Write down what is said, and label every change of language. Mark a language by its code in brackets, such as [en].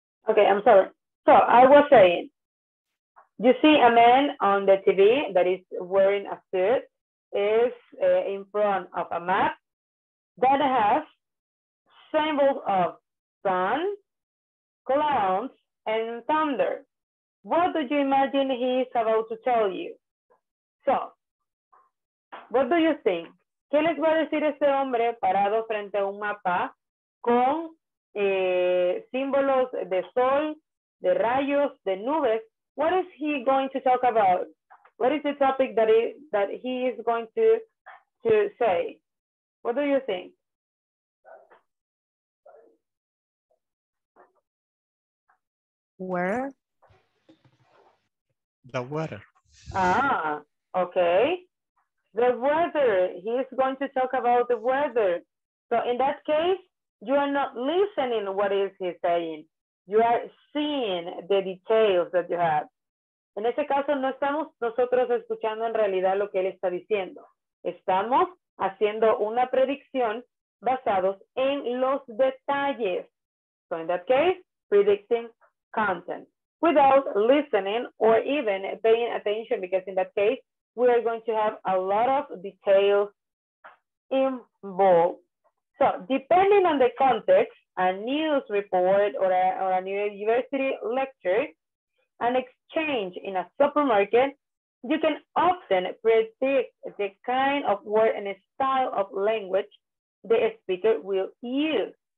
[en] Okay, I'm sorry. So I was saying, you see a man on the TV that is wearing a suit, is in front of a map that has symbols of sun, clouds, and thunder. What do you imagine he is about to tell you? So, what do you think? [es] ¿Qué les va a decir ese hombre parado frente a un mapa con símbolos de sol, de rayos, de nubes? [en] What is he going to talk about? What is the topic that he is going to say? What do you think? Where? The weather. Ah, okay. The weather. He is going to talk about the weather. So in that case, you are not listening what is he saying. You are seeing the details that you have. [es] En ese caso, no estamos nosotros escuchando en realidad lo que él está diciendo. Estamos haciendo una predicción basados en los detalles. [en] So in that case, predicting content without listening or even paying attention, because in that case, we are going to have a lot of details involved. So depending on the context, a news report or a university lecture, an exchange in a supermarket, you can often predict the kind of word and style of language the speaker will use.